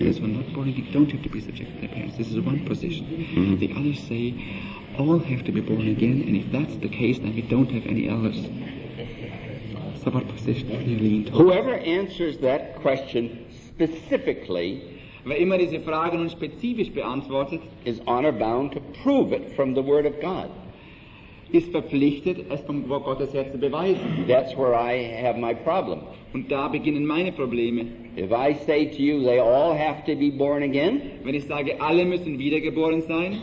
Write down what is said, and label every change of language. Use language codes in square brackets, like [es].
[en] Those who are not born again don't have to be subject to their parents. This is one position. Mm-hmm. The others say all have to be born again, and if that's the case, then we don't have any elders. So what position are you leaning towards? Whoever answers that question specifically. [de] Wer immer diese Frage nun spezifisch beantwortet, [en] is honor bound to prove it from the Word of God. [de] Ist verpflichtet, es vom Wort Gottes her zu beweisen. [en] That's where I have my problem. [de] Und da beginnen meine Probleme. [en] If I say to you, they all have to be born again. [de] Wenn ich sage, alle müssen wiedergeboren sein.